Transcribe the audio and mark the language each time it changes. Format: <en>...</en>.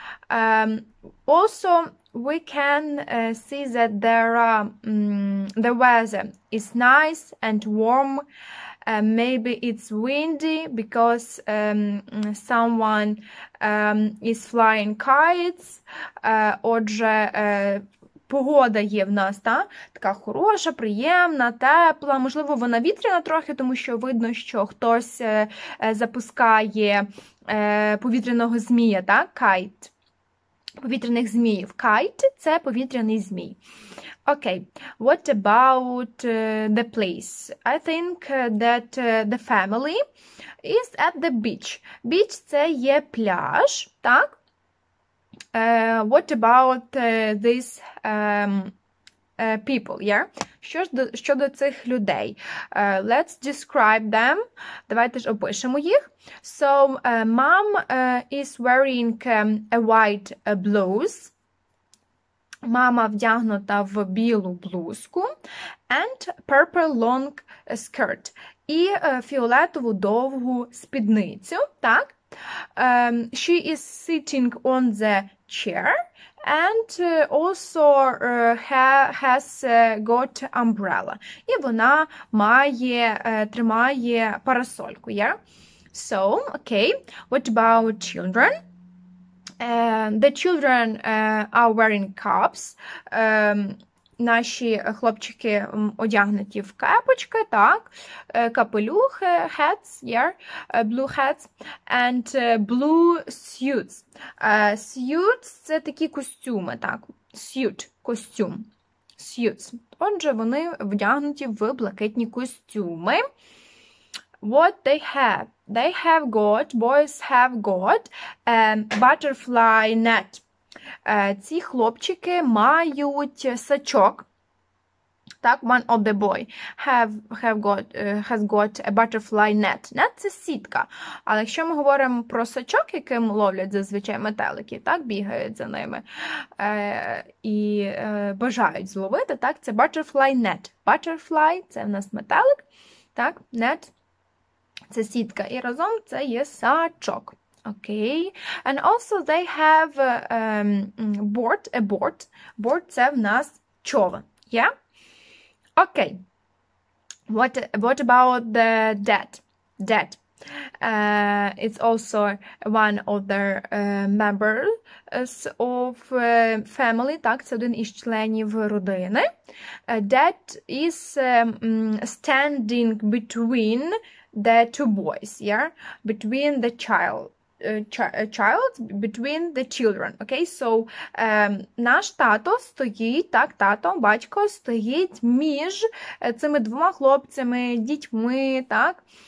<en>Also, we can see that there are the weather is nice and warm. Maybe it's windy because someone is flying kites.</en> <uk>Отже, погода є в нас, та? Така хороша, приємна, тепла. Можливо, вона вітряна трохи, тому що видно, що хтось запускає повітряного змія, так? Кайт. Повітряних зміїв. Кайт – це повітряний змій.</uk> <en>Okay, what about the place? I think that the family is at the beach. Beach –</en> <uk>це є пляж, так?</uk> <en>What about these people, yeah?</en> <uk>Щодо цих людей?</uk> <en>Let's describe them.</en> <uk>Давайте ж опишемо їх.</uk> <en>So, mom is wearing a white blouse.</en> <uk>Мама вдягнута в білу блузку.</uk> <en>And purple long skirt.</en> <uk>І фіолетову довгу спідницю, так?</uk> <en>She is sitting on the chair and also has got umbrella.</en> <uk>І вона має тримає парасольку, yeah?</uk> <en>So, okay. What about children? The children are wearing caps.</en> <uk>Наші хлопчики одягнуті в кепочки, так, капелюхи,</uk> <en>hats, yeah, blue hats, and blue suits.</en> <uk>Suits – це такі костюми, так, suit, костюм, suits. Отже, вони вдягнуті в блакитні костюми.</uk> <en>What they have? They have got, boys have got, butterfly net.</en> <uk>Ці хлопчики мають сачок.</uk> <en>Так, one of the boy has got a butterfly net.</en> <uk>Net – це сітка. Але якщо ми говоримо про сачок, яким ловлять зазвичай метелики, так, бігають за ними і бажають зловити, так, це butterfly net. Butterfly – це в нас метелик, так, net – це сітка. І разом це є сачок.</uk> <en>Okay, and also they have a board.</en> <uk>Board – це в нас човен, yeah?</uk> <en>Okay, what about the dad? Dad, it's also one of the members of family,</en> <uk>так, це один із членів родини.</uk> <en>Dad is standing between the two boys, yeah? Between the child. Child between the children.</en> <uk>Okay, so наш тато стоїть, так, тато, батько стоїть між цими двома хлопцями, дітьми, так.</uk>